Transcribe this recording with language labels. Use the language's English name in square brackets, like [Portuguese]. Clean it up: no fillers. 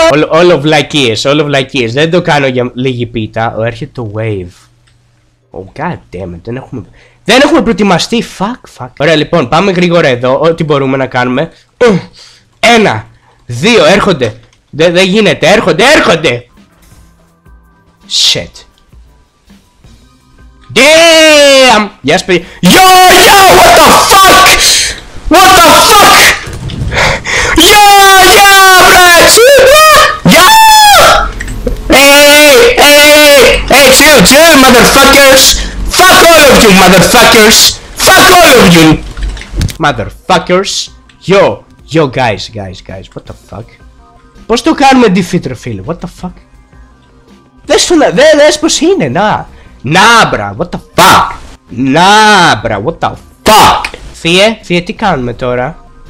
[Greek] Όλο βλακίες, όλο βλακίες. Δεν το κάνω για λίγη πίτα. Έρχεται το wave. [English] Oh god damn it, [Greek] δεν έχουμε προετοιμαστεί. [English] Fuck. [Greek] Ωραία, λοιπόν, πάμε γρήγορα εδώ. Ό,τι μπορούμε να κάνουμε. Ένα. Δύο, έρχονται! Δεν γίνεται, έρχονται! [English] Shit! Damn! Yes, baby. Yo, yo, what the fuck? What the fuck? Yo, yo, bitch! Yo! Hey, hey, hey, chill, chill, motherfuckers! Fuck all of you, motherfuckers! Fuck all of you! Motherfuckers! Yo, yo, guys, guys, guys, what the fuck? [Greek] Πώς το κάνουμε defeat, ρε φίλε, [English] what the fuck? [Greek] Δες το να, δες πως είναι, να! Να, μπρα, [English] what the fuck! Να, μπρα, what the fuck! [Greek] Θείε, θείε, τι κάνουμε τώρα?